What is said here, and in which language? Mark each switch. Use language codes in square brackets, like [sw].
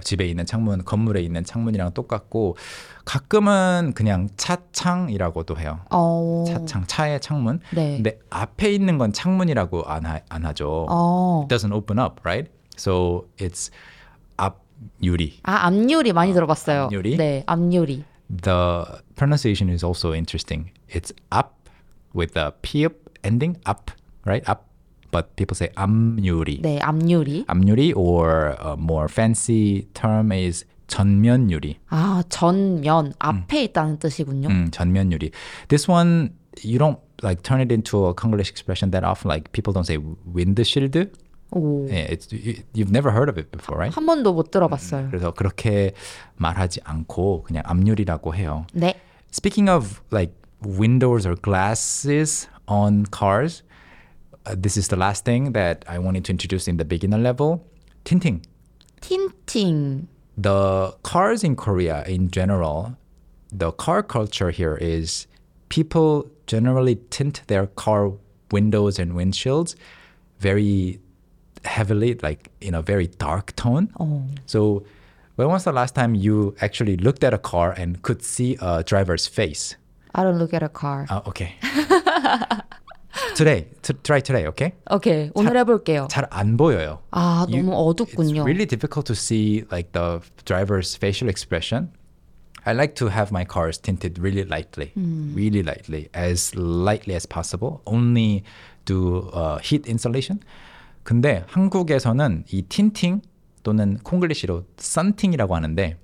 [ko] 집에 있는 창문, 건물에 있는 창문이랑 똑같고 가끔은 그냥 차창이라고도 해요. 차창, 차의 창문. 네. 근데 앞에 있는 건 창문이라고 안 하죠. [en] It doesn't open up, right? So it's 앞유리. [ko] 아, 앞유리 많이 들어봤어요. 앞유리. 네, 앞유리. [en] The pronunciation is also interesting. It's 앞 with the p ending, 앞, right? 앞. But people say 앞유리. [ko] 네, 앞유리. [en] 앞유리 or a more fancy term is 전면유리. [ko] 아, 전면. 앞에 있다는 뜻이군요. 전면유리. [en] This one, you don't like turn it into a Konglish expression that often. Like people don't say windshield. Yeah, you've never heard of it before, right? [ko] 한 번도 못 들어봤어요. 그래서 그렇게 말하지 않고 그냥 앞유리라고 해요. 네. [en] Speaking of like windows or glasses on cars, this is the last thing that I wanted to introduce in the beginner level. Tinting. Tinting. The cars in Korea in general, the car culture here is people generally tint their car windows and windshields very heavily, like in a very dark tone. So when was the last time you actually looked at a car and could see a driver's face? I don't look at a car. Okay. Try today, okay? [ko] Okay, 오늘 해볼게요. 잘 안 보여요. 아, 너무 어둡군요. [en] It's really difficult to see like the driver's facial expression. I like to have my cars tinted really lightly, really lightly as possible. Only do heat insulation. [ko] 근데 한국에서는 이 틴팅 또는 콩글리시로 썬팅이라고 하는데